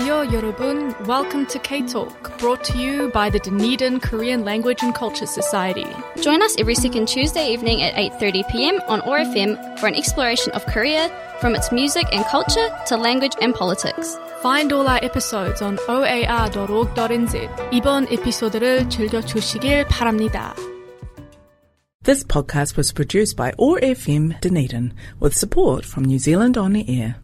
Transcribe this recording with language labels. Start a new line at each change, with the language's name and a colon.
English: 여러분, welcome to K-Talk, brought to you by the Dunedin Korean Language and Culture Society. Join us every second Tuesday evening at 8:30 p.m. on ORFM for an exploration of Korea, from its music and culture to language and politics. Find all our episodes on oar.org.nz.
Korean: 이번 에피소드를 즐겨주시길 바랍니다.
English: This podcast was produced by ORFM Dunedin with support from New Zealand On Air.